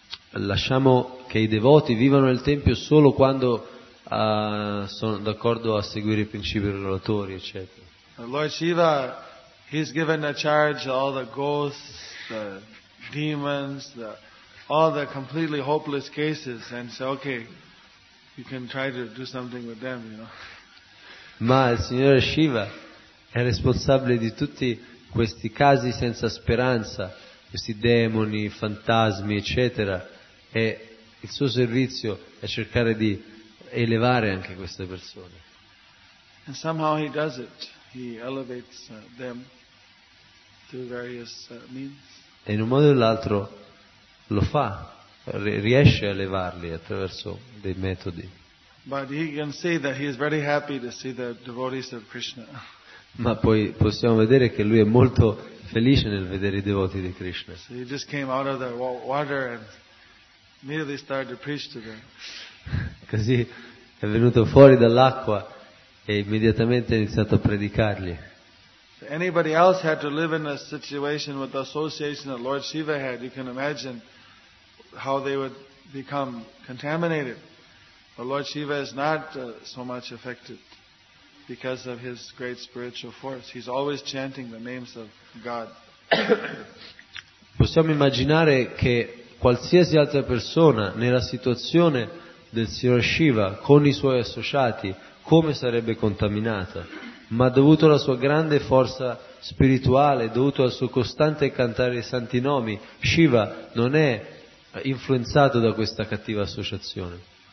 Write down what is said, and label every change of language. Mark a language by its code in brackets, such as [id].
[it] lasciamo che i devoti vivano nel tempio solo quando sono d'accordo a seguire i principi regolatori, eccetera. [en] The Lord Shiva, he's given a charge to all the ghosts, the demons, all the completely hopeless cases, and say, okay, you can try to do something with them, you know. [it] Ma il Signore Shiva è responsabile di tutti questi casi senza speranza, questi demoni, fantasmi, eccetera. E il suo servizio è cercare di elevare anche queste persone. [en] And somehow he does it. He elevates them through various means. [it] E in un modo o nell'altro lo fa, riesce a elevarli attraverso dei metodi. [en] But he can see that he is very happy to see the devotees of Krishna. [it] Ma poi possiamo vedere che lui è molto felice nel vedere i devoti di Krishna. [en] So he just came out of the water and immediately started to preach to them. [it] Così è venuto fuori dall'acqua e immediatamente ha iniziato a predicargli. [en] If anybody else had to live in a situation with the association that Lord Shiva had, you can imagine how they would become contaminated. But Lord Shiva is not so much affected because of his great spiritual force. He's always chanting the names of God. [it] Possiamo immaginare che qualsiasi altra persona nella situazione del Signor Shiva con i suoi associati come sarebbe contaminata, ma dovuto alla sua grande forza spirituale, dovuto al suo costante cantare i santi nomi, Shiva non è influenzato da questa cattiva associazione.